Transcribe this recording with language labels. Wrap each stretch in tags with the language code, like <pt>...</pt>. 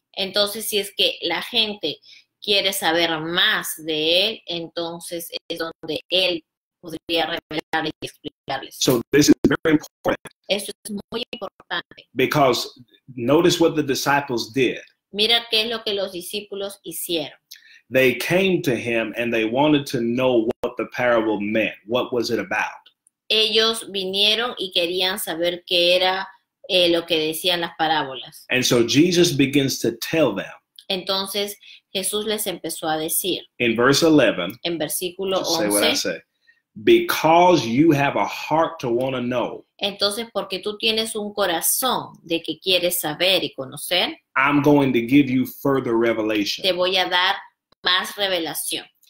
<es>Entonces, si es que la gente quiere saber más de él, entonces es donde él podría revelar y explicarles.</es> <en>So this is very important</en> <es>Esto es muy importante.</es> <en>because notice what the disciples did.</en> <es>Mira qué es lo que los discípulos hicieron.</es> <en>They came to him and they wanted to know what the parable meant. What was it about?</en> <es>Ellos vinieron y querían saber qué era lo que decían las parábolas.</es> <en>And so Jesus begins to tell them</en> <es>Entonces Jesús les empezó a decir</es> <en>in verse 11,</en> <es>en versículo</es> <en>just say what I</en> <es>11,</es> <en>say. Because you have a heart to want to know,</en> <es>entonces porque tú tienes un corazón de que quieres saber y conocer,</es> <en>I'm going to give you further revelation.</en> <es>te voy a dar más revelación.</es>